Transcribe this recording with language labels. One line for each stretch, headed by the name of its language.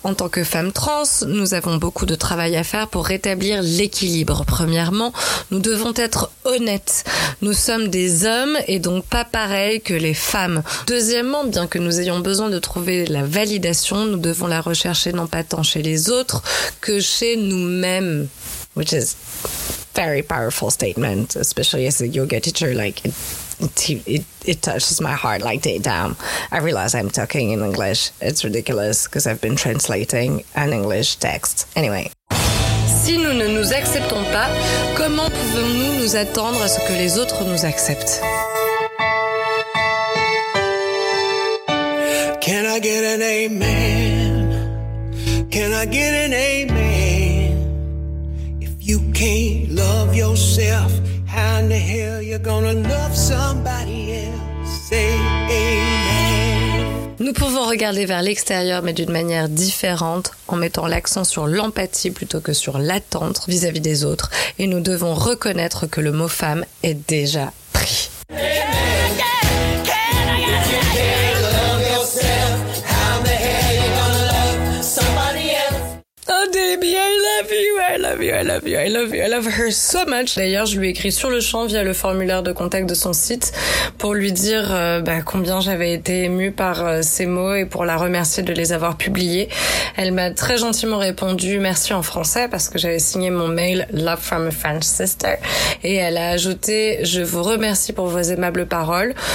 French: En tant que femme trans, nous avons beaucoup de travail à faire pour rétablir l'équilibre. Premièrement, nous devons être honnêtes. Nous sommes des hommes et donc pas pareils que les femmes. Deuxièmement, bien que nous ayons besoin de trouver la validation, nous devons la rechercher non pas tant chez les autres que chez nous-mêmes.
English: Which is a very powerful statement, especially as a yoga teacher, like... It touches my heart like day down. I realize I'm talking in English. It's ridiculous because I've been translating an English text. Anyway.
French: Si nous ne nous acceptons pas, comment pouvons-nous nous attendre à ce que les autres nous acceptent?
English: Can I get an amen? Can I get an amen? If you can't love yourself, how in the hell you're gonna love somebody else? Say amen.
French: Nous pouvons regarder vers l'extérieur, mais d'une manière différente, en mettant l'accent sur l'empathie plutôt que sur l'attente vis-à-vis des autres. Et nous devons reconnaître que le mot femme est déjà pris.
English: Amen. Can I get an amen? If you can't love yourself, how in the hell you're gonna love somebody else? baby, I love you, I love you, I love you, I love you, I love her so much.
French: D'ailleurs, je lui écris sur le champ via le formulaire de contact de son site pour lui dire combien j'avais été émue par ses mots et pour la remercier de les avoir publiés. Elle m'a très gentiment répondu merci en français parce que j'avais signé mon mail
English: Love from a French Sister
French: et elle a ajouté je vous remercie pour vos aimables paroles.